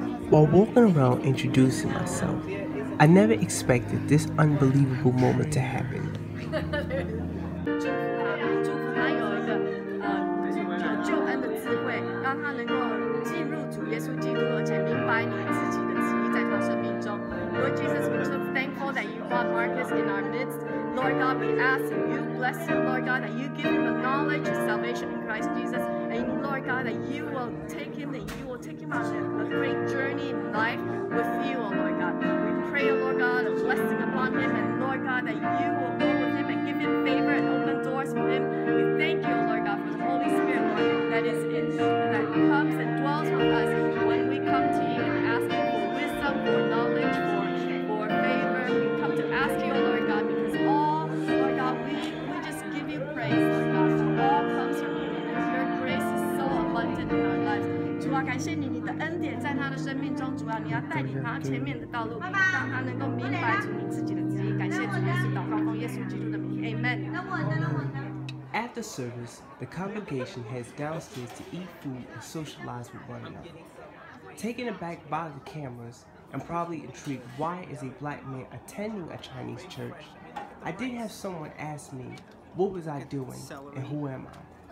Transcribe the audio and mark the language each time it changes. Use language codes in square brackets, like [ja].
[en] While walking around introducing myself, I never expected this unbelievable moment to happen. [zh] 祝福他有一个拯救恩的智慧，让他能够进入主耶稣基督，而且明白你自己的旨意在他生命中。 [en] Lord Jesus, we're so thankful that you brought Marcus in our midst. Lord God, we ask that you bless him, Lord God, that you give him the knowledge of salvation in Christ Jesus. And Lord God, that you will take him, that you will take him on a great journey in life with you, oh Lord God. We pray, oh Lord God, a blessing upon him, and Lord God, that you will go with him and give him favor and open doors for him. We thank you, oh Lord God, for the Holy Spirit, Lord, that is in him, that comes and dwells with us when we come to you and ask him for wisdom, for knowledge, for favor. We come to ask you, oh Lord God, because all, Lord God, we just give you praise, Lord God, for all comes from you, and your grace is so abundant in our lives. [zh] 主啊，感谢你，你的恩典在他的生命中。主啊，你要带领他前面的道路，让他能够明白出你自己的旨意。感谢主耶稣，祷告奉耶稣基督的名 ，Amen。 [en] At the service, the congregation heads downstairs to eat food and socialize with one another. Taken aback by the cameras and probably intrigued, why is a black man attending a Chinese church? I did have someone ask me, "What was I doing, and who am I?"